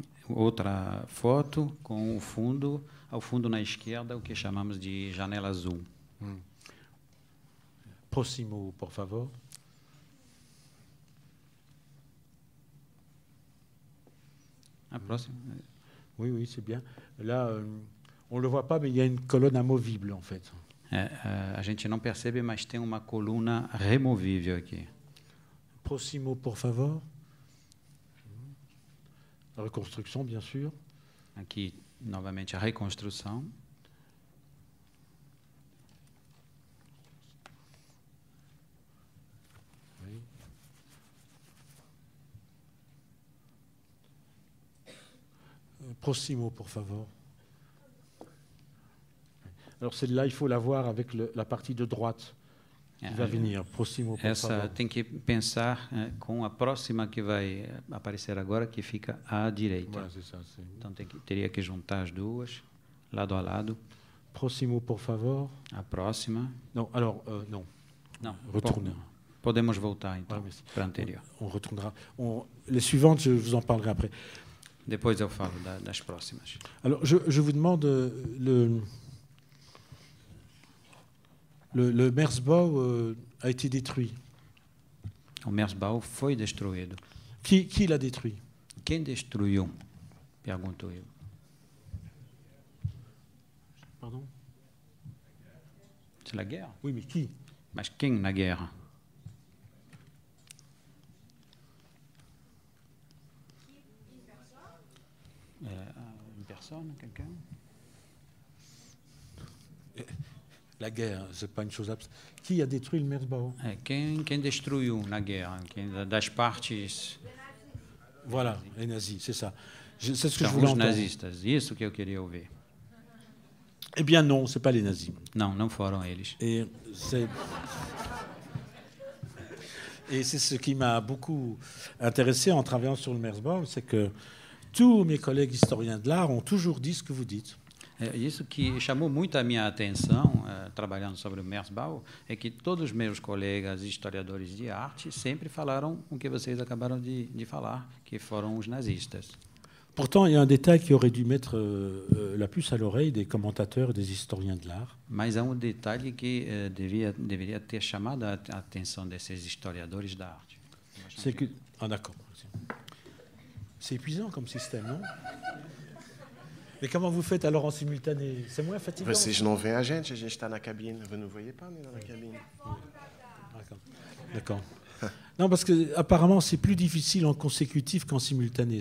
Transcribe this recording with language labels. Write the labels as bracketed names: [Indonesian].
[Portuguese] Outra foto com o fundo, ao fundo na esquerda, o que chamamos de janela azul. Próximo, por favor. A próxima. [French] Oui, oui, c'est bien. Là, on le voit pas, mais il y a une colonne amovible, en fait. [Portuguese] A gente não percebe, mas tem uma coluna removível aqui. Próximo, por favor. Reconstrução, [French] bien sûr. [Portuguese] Aqui, novamente, a reconstrução. Próximo, por favor. [French] Alors celle-là, il faut la voir avec la partie de droite qui va venir. [Portuguese] Próximo, por favor. Essa tem que pensar com a próxima que vai aparecer agora, que fica à direita. Então teria que juntar as duas lado a lado. Próximo, por favor. A próxima. Não, [French] alors non. Non, retournons. [Portuguese] Podemos voltar então para a anterior. [French] On retournera. Les suivantes, je vous en parlerai après. [Portuguese] Depois eu falo das próximas. [French] Alors, je vous demande le Merzbau a été détruit. [Portuguese] O Merzbau foi destruído. [French] Qui l'a détruit? [Portuguese] Quem destruiu? Pergunto eu. [French] Pardon? C'est la guerre? Oui, mais qui? [Portuguese] Mas quem na guerra? [French] Une personne, quelqu'un? La guerre, c'est pas une chose. Qui a détruit le Merzbau? [Portuguese] Quem destruiu na guerra? Quem das partes? [French] Voilà, les nazis, c'est ça. C'est ce que je voulais entendre. [Portuguese] Os nazistas, isso que eu queria ouvir. [French] Eh bien non, c'est pas les nazis. [Portuguese] Não, não foram eles. [French] Et c'est ce qui m'a beaucoup intéressé en travaillant sur le Merzbau, c'est que tous mes collègues historiens de l'art ont toujours dit ce que vous dites. [Portuguese] Isso que chamou muito a minha atenção, trabalhando sobre o Merzbau, é que todos os meus colegas historiadores de arte sempre falaram o que vocês acabaram de falar, que foram os nazistas. [French] Pourtant, il y a un détail qui aurait dû mettre la puce à l'oreille des commentateurs et des historiens de l'art. [Portuguese] Mas há um detalhe que deveria ter chamado a atenção desses historiadores da arte. [French] C'est que... Ah, d'accord. C'est épuisant comme système, non? Mais comment vous faites alors en simultané? C'est moins fatigant. Vous ne voyez pas, je suis dans la cabine. Vous ne voyez pas, on est dans la cabine. D'accord. Non, parce que apparemment, c'est plus difficile en consécutif qu'en simultané.